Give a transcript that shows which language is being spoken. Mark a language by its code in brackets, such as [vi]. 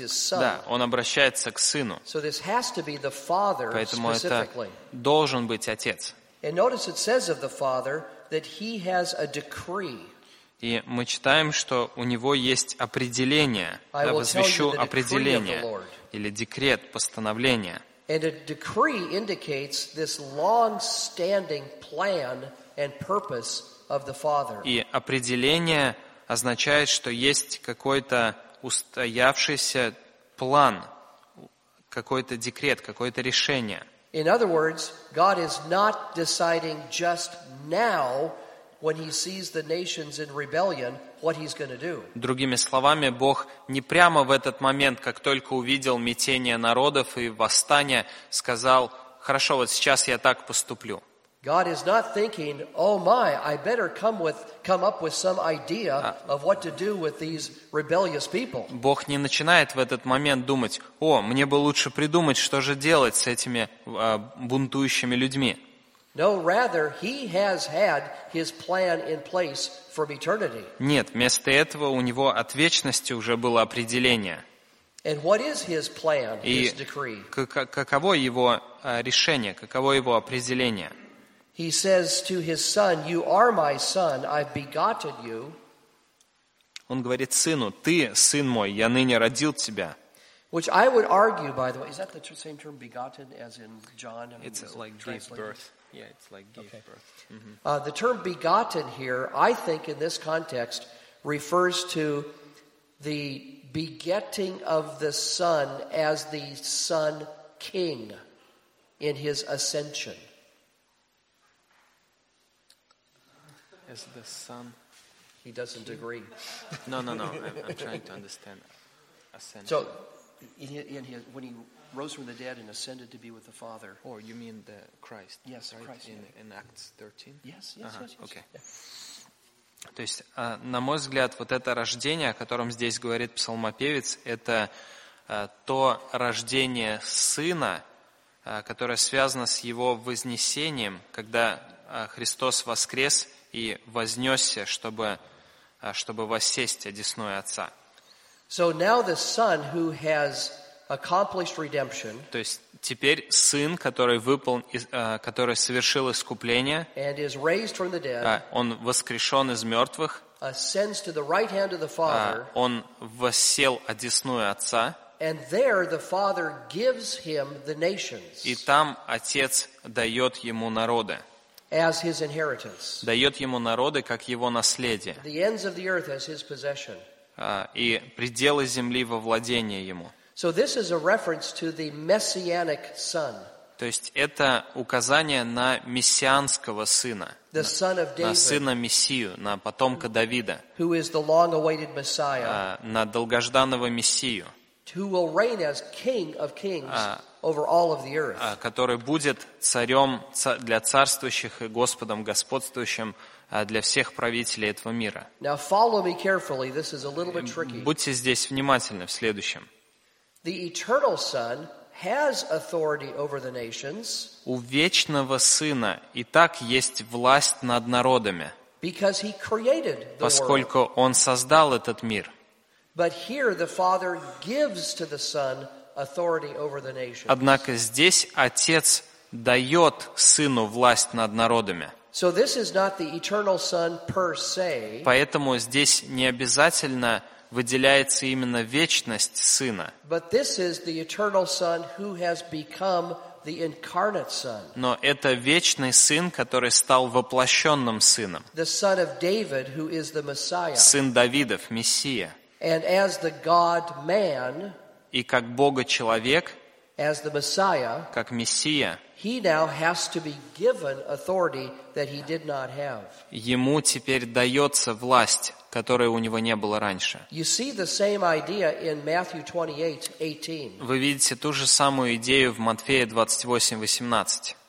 [ru] Да, он обращается к Сыну. Поэтому это должен быть Отец. [en] And notice it says of the Father that He has a decree. [ru] И мы читаем, что у Него есть определение. Я возвещу определение. Или декрет, постановление. [en] And a decree indicates this long-standing plan and purpose of the Father. [ru] И определение означает, что есть какой-то устоявшийся план, какой-то декрет, какое-то решение. [en] In other words, God is not deciding just now when He sees the nations in rebellion what He's going to do. [ru] Другими словами, Бог не прямо в этот момент, как только увидел мятение народов и восстание, сказал: «Хорошо, вот сейчас я так поступлю». [en] God is not thinking, "Oh my, I better come up with some idea of what to do with these rebellious people." [ru] Бог не начинает в этот момент думать: "О, мне бы лучше придумать, что же делать с этими бунтующими людьми." [en] No, rather, He has had His plan in place from eternity. [ru] Нет, вместо этого у него от вечности уже было определение. [en] And what is His plan, His decree? [ru] Каково его решение, каково его определение? [en] He says to his son, "You are my son. I've begotten you." [ru] Он говорит сыну: "Ты сын мой. Я ныне родил тебя." [en] Which I would argue, by the way, is that the same term "begotten" as in John? I mean, it's like gave birth. Yeah, it's like gave birth. Mm-hmm. The term "begotten" here, I think, in this context, refers to the begetting of the son as the son king in his ascension. As the son, he doesn't agree. No. I'm trying to understand ascension. So, when he rose from the dead and ascended to be with the Father. Oh, you mean the Christ? Yes, right? Christ. In Acts 13. Yes. Okay. [ru] То есть, на мой взгляд, вот это рождение, о котором здесь говорит псалмопевец, это то рождение сына, которое связано с его вознесением, когда Христос воскрес и вознесся, чтобы воссесть одесную Отца. [en] So now the son who has accomplished redemption, [ru] то есть теперь сын, который совершил искупление, [en] and is raised from the dead, [ru] он воскрешен из мертвых, [en] ascends to the right hand of the Father, [ru] он воссел одесную Отца, [en] and there the Father gives him the nations. [ru] И там Отец дает ему народы. [en] As his inheritance. [ru] Дает ему народы как его наследие. [en] The ends of the earth as his possession. [ru] И пределы земли во владение ему. [en] So this is a reference to the messianic son. [ru] То есть это указание на мессианского сына. [en] The son of David. [ru] На сына Мессию, на потомка Давида. [en] Who is the long-awaited Messiah? [ru] На долгожданного Мессию. [en] Who will reign as king of kings over all of the earth. [ru] Который будет царем для царствующих и Господом господствующим для всех правителей этого мира. [en] Now follow me carefully. This is a little bit tricky. [ru] Будьте здесь внимательны в следующем. [en] The eternal son has authority over the nations. [ru] У вечного сына и так есть власть над народами. [en] Because he created the world. [ru] Поскольку он создал этот мир. [en] But here the Father gives to the Son authority over the nations. [ru] Однако здесь Отец дает Сыну власть над народами. [en] So this is not the eternal Son per se. [ru] Поэтому здесь не обязательно выделяется именно вечность Сына. [en] But this is the eternal Son who has become the incarnate Son. [ru] Но это вечный Сын, который стал воплощенным Сыном. [en] The Son of David, who is the Messiah. [ru] Сын Давидов, Мессия. [en] And as the God-man, [ru] и как Бога-человек, [en] as the Messiah, [ru] как Мессия, [en] he now has to be given authority that he did not have. [ru] Ему теперь дается власть, которой у него не было раньше. [en] You see the same idea in Matthew 28:18. [ru] Вы видите ту же самую идею в Матфея 28:18.